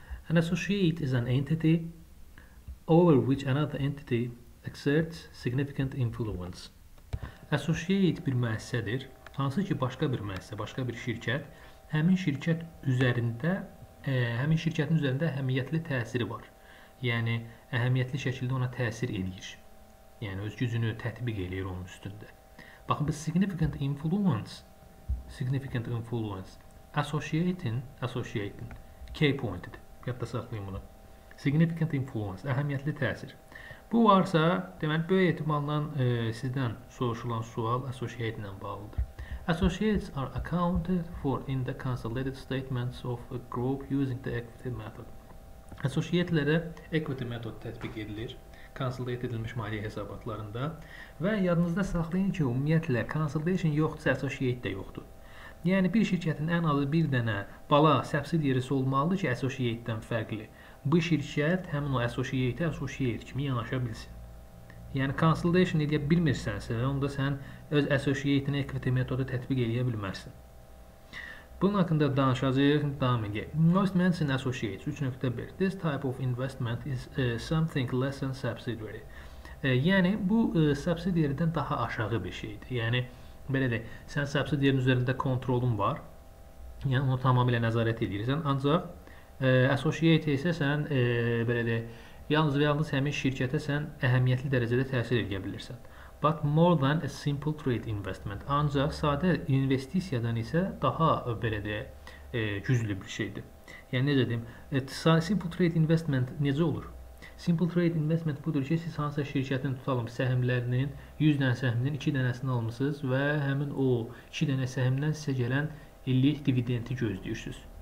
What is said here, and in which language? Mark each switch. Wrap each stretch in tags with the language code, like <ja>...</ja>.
<en>An associate is an entity over which another entity exerts significant influence.</en> <az>Associate bir müəssisədir. Hansı ki, başqa bir müəssisə, başqa bir şirkət, həmin şirkət üzərində, həmin şirkətin üzərində əhəmiyyətli təsiri var. Yəni, əhəmiyyətli şəkildə ona təsir edir. Yəni, öz gücünü tətbiq edir onun üstündə. Baxın, bu</az> <en>significant influence, significant influence, associating, key pointed,</en> <az>yadda saxlayın bunu. Significant influence, əhəmiyyətli təsir. Bu varsa, deməli, böyük ehtimalla sizdən soruşulan sual associate ilə bağlıdır.</az> <en>Associates are accounted for in the consolidated statements of a group using the equity method.</en> <az>Associate'lərə equity method tətbiq edilir, consolidated edilmiş maliyyə hesabatlarında. Və yadınızda saxlayın ki, ümumiyyətlə, consolidation yoxdursa, associate də yoxdur. Yəni, bir şirkətin ən azı bir dənə bala subsidiyarisi olmalıdır ki, associate'dən fərqli. Bu şirkət həmin o associate'ə associate kimi yanaşa bilsin. Yəni, consolidation edə bilmirsənsə, onda sən öz associate'in equity metodu tətbiq edə bilməzsin. Bunun haqqında danışacaq, davam edək.</az> <en>Investments in associates, 3.1. This type of investment is something less than subsidiary.</en> <az>Yəni, bu subsidiary'dən daha aşağı bir şeydir. Yəni, belə deyək, sən subsidiary'nin üzərində kontrolun var. Yəni, onu tamamilə nəzarət edirsən. Ancaq, associate isə sən, belə deyək, yalnız və yalnız həmin şirkətə sən əhəmiyyətli dərəcədə təsir edə bilirsən.</az> <en>But more than a simple trade investment.</en> <az>Ancaq sadə investisiyadan isə daha belə deyə güclü bir şeydir. Yəni necə deyim, simple trade investment necə olur? Simple trade investment budur ki, siz hansısa şirkətin tutalım səhmlərinin 100 dənə səhmdən 2 dənəsini almışsınız və həmin o 2 dənə səhmdən sizə gələn illik dividendi gözləyirsiniz.</az>